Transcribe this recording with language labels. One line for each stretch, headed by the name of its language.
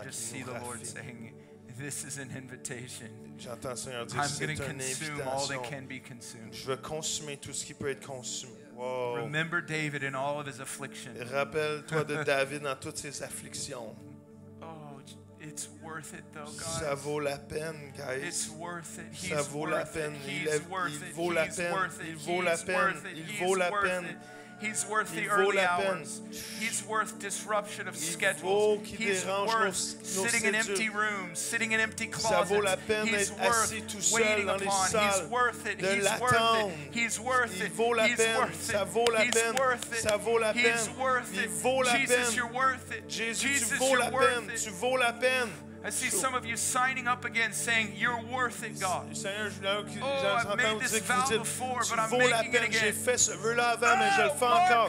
English: I just see the Lord saying, "This is an invitation."
French: J'entends le Seigneur dire, "C'est une invitation."
English: I'm going to consume all that can be consumed.
French: Je veux consommer tout ce qui peut être consumé.
English: Wow. Remember David in all of his affliction.
French: Rappelle-toi de David dans toutes ses afflictions.
English: It's worth it, though, guys.
French: Ça vaut la peine, guys.
English: It's worth it.
French: Ça vaut la peine. Il vaut la peine. Il vaut la peine. Il vaut la peine.
English: He's worth the early hours. He's worth disruption of schedules. He's worth sitting in empty rooms, sitting in empty closets.
French: Ça vaut la peine d'être assis tout seul dans les salles.
English: He's worth it. He's worth it. He's worth it. He's worth it.
French: Il vaut la peine. Ça vaut la peine.
English: He's worth it.
French: Ça vaut la peine.
English: He's worth it.
French: Il vaut la peine.
English: Jesus, you're worth it.
French: Jésus, tu vaux la peine. Tu vaux la peine.
English: I see some of you signing up again saying you're worth it, God. Oh, I've made this vow before, but I'm making it again.
French: J'ai fait ce vœu-là avant, mais je le fais encore.